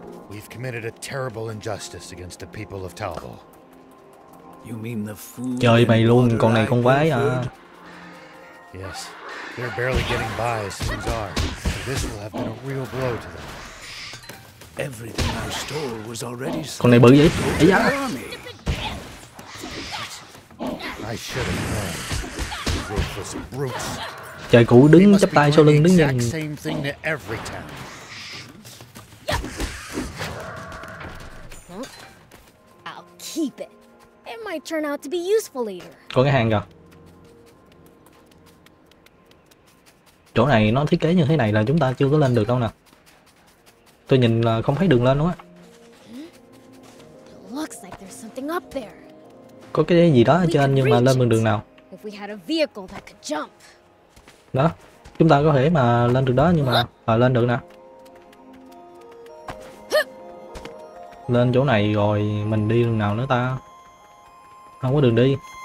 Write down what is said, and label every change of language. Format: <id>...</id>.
<en>We've committed a terrible injustice against the people of Talbot. You mean the food?</en> <vi>Trời mày luôn, con này con quái à.</vi> <en>Yes. They're barely getting by as things are. This will have been a real blow to them. Everything I stole was already stolen.</en> <vi>Con này bự vậy? Ấy da.</vi> <en>I should have known. Ruthless brutes.</en> <vi>Trời cũ đứng chắp tay sau lưng đứng nhìn.</vi> <en>Same thing to every time. I'll keep it. It might turn out to be useful later.</en> <vi>Có cái hàng kìa. Chỗ này nó thiết kế như thế này là chúng ta chưa có lên được đâu nè. Tôi nhìn là không thấy đường lên luôn á.</vi> <en>Looks like there's something up there.</en> <vi>Có cái gì đó ở trên nhưng mà lên bằng đường nào?</vi> <en>If we had a vehicle that could jump.</en> <vi>Đó, chúng ta có thể mà lên được đó nhưng mà lên được nè. Lên chỗ này rồi mình đi đường nào nữa ta? Không có đường đi.</vi>